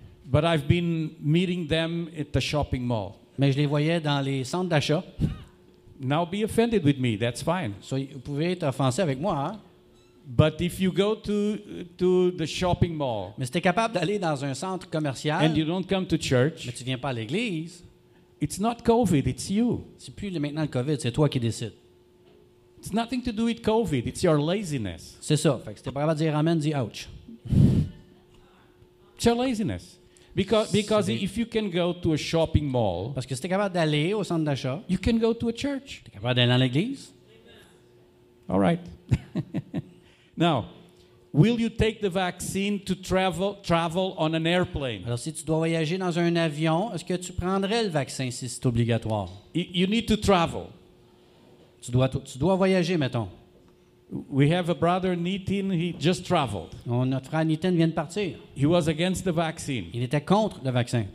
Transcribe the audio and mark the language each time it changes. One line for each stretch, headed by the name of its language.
English: But I've been meeting them at the shopping mall.
French: Mais je les voyais dans les centres d'achat.
English: Now be offended with me. That's fine.
French: So vous pouvez être offensé avec moi.
English: But if you go to the shopping mall.
French: Mais si tu es capable d'aller dans un centre commercial.
English: And you don't come to church.
French: Mais tu viens pas à l'église.
English: It's not COVID, it's you.
French: C'est plus maintenant le COVID, c'est toi qui décides.
English: It's nothing to do with COVID, it's your laziness.
French: C'est ça. Fait que c'était pas capable de dire amen,
English: dis ouch. It's your laziness. Because if you can go to a shopping mall.
French: Parce que si tu es capable d'aller au centre d'achat.
English: You can go to a church.
French: Tu es capable d'aller à l'église.
English: All right. Now, will you take the vaccine to travel on an airplane?
French: Alors, si tu dois voyager dans un avion, est-ce que tu prendrais le vaccin si c'est obligatoire?
English: You need to travel.
French: Tu dois voyager, mettons.
English: We have a brother, Nitin, he just traveled.
French: Notre frère Nitin vient de partir.
English: He was against the vaccine.
French: Il était contre le vaccin.